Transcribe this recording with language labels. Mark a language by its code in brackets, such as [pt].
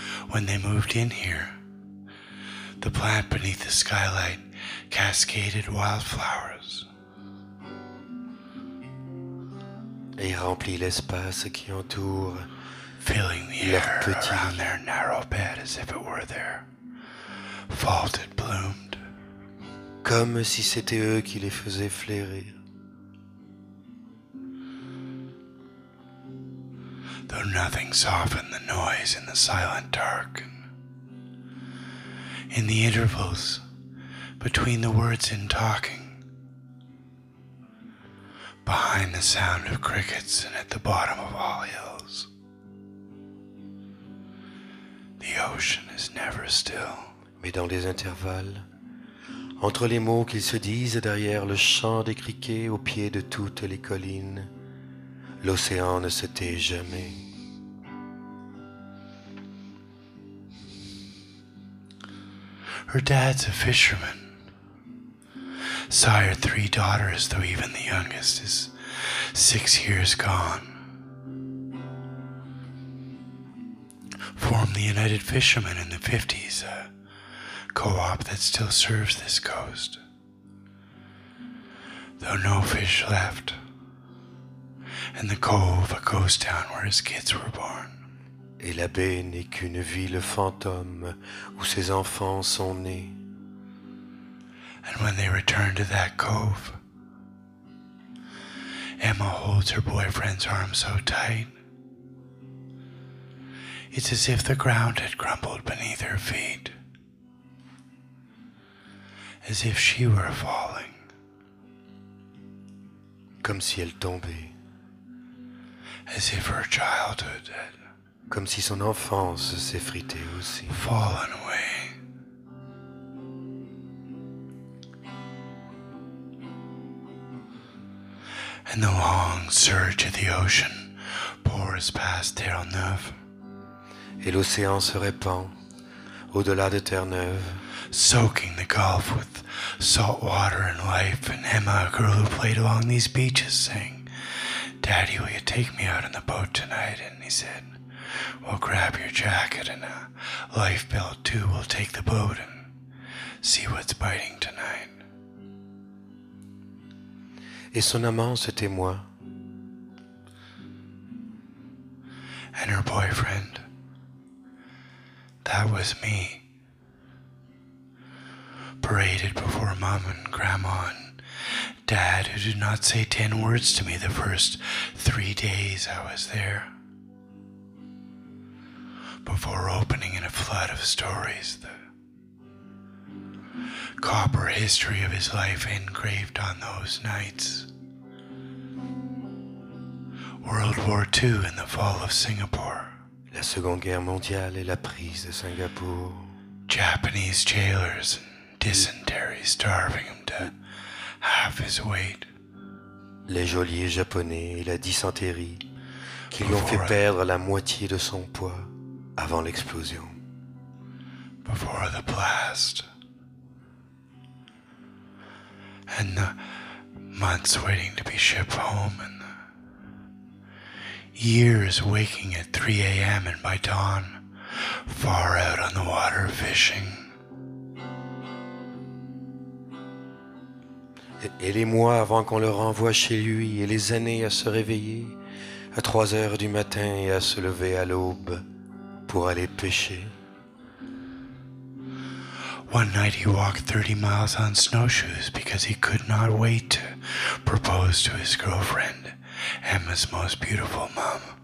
[en] when they moved in here, the plant beneath the skylight cascaded wildflowers. [fr] Et remplit l'espace qui entoure, [en] filling the air around their narrow bed as if it were their fault it bloomed. [fr] Comme si c'était eux qui les faisaient fleurir. [en] Though nothing softened the noise in the silent dark, and in the intervals between the words in talking, behind the sound of crickets and at the bottom of all hills, the ocean is never still. [fr] Mais dans les intervalles, entre les mots qu'ils se disent derrière le chant des criquets au pied de toutes les collines, l'océan ne se tait jamais. [en] Her dad's a fisherman, sired three daughters, though even the youngest is 6 years gone. Formed the United Fishermen in the 50s, a co-op that still serves this coast. Though no fish left, and the cove a ghost town where his kids were born. [fr] Et la baie n'est qu'une ville fantôme où ses enfants sont nés. [en] And when they return to that cove, Emma holds her boyfriend's arm so tight, it's as if the ground had crumbled beneath her feet. as if she were falling. [fr] Comme si elle tombait. [en] As if her childhood had. [fr] Comme si son enfance s'effritait aussi. [en] Fallen away. And the long surge of the ocean pours past Terre-Neuve. [fr] Et l'océan se répand au-delà de Terre-Neuve. [en] Soaking the gulf with salt water and life. And Emma, a girl who played along these beaches, sang, Daddy, will you take me out in the boat tonight? And he said, Well, grab your jacket and a life belt too. We'll take the boat and see what's biting tonight. [fr] Et son amant, c'était moi. [en] And her boyfriend, that was me. Paraded before Mom and Grandma and Dad, who did not say 10 words to me the first 3 days I was there. Before opening in a flood of stories, the copper history of his life engraved on those nights. World War II and the fall of Singapore. [fr] La Seconde Guerre mondiale et la prise de Singapour. [en] Japanese jailers and dysentery starving him to half his weight. [fr] Les geôliers japonais et la dysenterie qui lui ont fait perdre la moitié de son poids. Avant l'explosion. [en] Before the blast. And the months waiting to be shipped home. And the years waking at 3 a.m. and by dawn, far out on the water fishing. [fr] Et les mois avant qu'on le renvoie chez lui, et les années à se réveiller à 3 heures du matin et à se lever à l'aube. Pour aller pêcher. [en] One night he walked 30 miles on snowshoes because he could not wait to propose to his girlfriend, Emma's most beautiful mom.